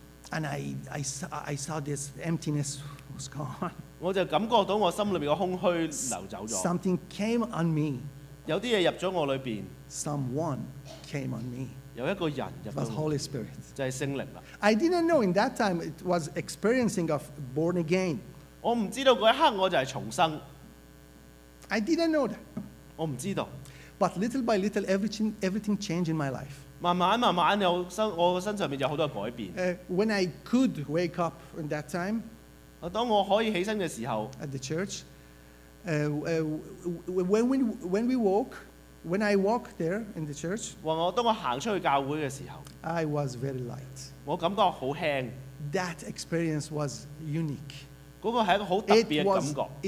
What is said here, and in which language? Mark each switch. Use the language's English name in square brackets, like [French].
[English] And I saw this emptiness was gone. [Cantonese] 我就感觉到我心里面嘅空虚流走咗。 [English] Something came on me. [Cantonese] 有啲嘢入咗我里边。 [English] Someone came on me. [Cantonese] 有一个人入咗。 [English] Was Holy Spirit. [Cantonese] 就系圣灵啦。 [English] I didn't know in that time it was experiencing of born again. [Cantonese] 我唔知道嗰一刻我就系重生。 [English] I didn't know that. [Cantonese] 我唔知道。 [English] But little by little, everything changed in my life. [Cantonese] 慢慢慢慢，我個身上面有好多改變。 [English] When I could wake up in that time, [Cantonese] 當我可以起身嘅時候 [English] ，at the church, when I walked there in the church, [Cantonese] 我當我行出去教會嘅時候 [English] ，I was very light. [Cantonese] 我感覺好輕。 [English] That experience was unique. [Cantonese] 嗰個係一個好特別嘅感覺。